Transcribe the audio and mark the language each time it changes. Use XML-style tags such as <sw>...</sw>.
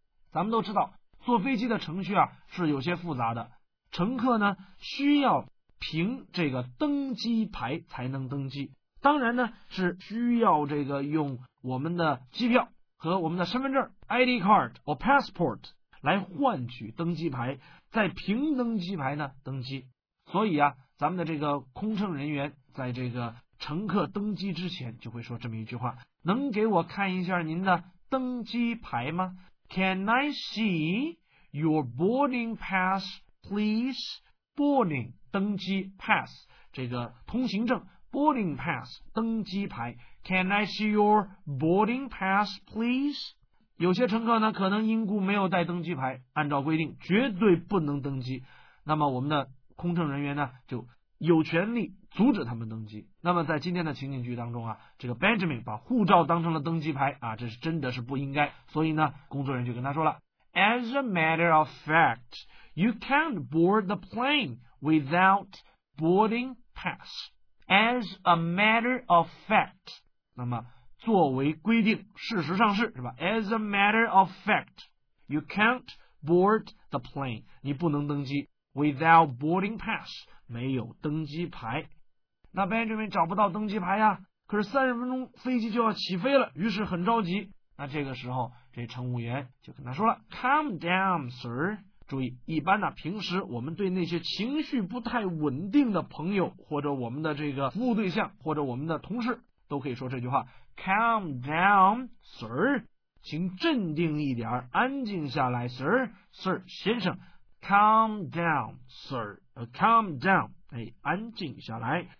<zh>咱们都知道坐飞机的程序啊是有些复杂的，乘客呢需要凭这个登机牌才能登机，当然呢是需要这个用我们的机票和我们的身份证</zh> <en>ID card or passport</en> <zh>来换取登机牌，再凭登机牌呢登机。所以啊，咱们的这个空乘人员在这个乘客登机之前就会说这么一句话，能给我看一下您的登机牌吗？</zh> <en>Can I see your boarding pass please? Boarding 登机 pass 这个通行证Boarding pass 登机牌 ，Can I see your boarding pass, please？</en> <zh>有些乘客呢，可能因故没有带登机牌，按照规定绝对不能登机。那么我们的空乘人员呢，就有权利阻止他们登机。那么在今天的情景剧当中啊，这个 Benjamin 把护照当成了登机牌啊，这是真的是不应该。所以呢，工作人员就跟他说了 ，</zh> <en>As a matter of fact, you can't board the plane without boarding pass。 As a matter of fact，</en> <zh>那么作为规定，事实上是，是吧</zh> <en>？As a matter of fact， you can't board the plane，</en> <zh>你不能登机</zh> <en>，without boarding pass，</en> <zh>没有登机牌。那 Benjamin 找不到登机牌呀，可是三十分钟飞机就要起飞了，于是很着急。那这个时候，这乘务员就跟他说了 ，</zh> <en>Calm down, sir。</en> <zh>注意，一般呢，平时我们对那些情绪不太稳定的朋友，或者我们的这个服务对象，或者我们的同事，都可以说这句话 ：</zh> <en>Calm down, sir，</en> <zh>请镇定一点，安静下来 ，sir， 先生 ，</zh> <en>calm down, sir，calm down，</en> <zh>哎，安静下来。</zh>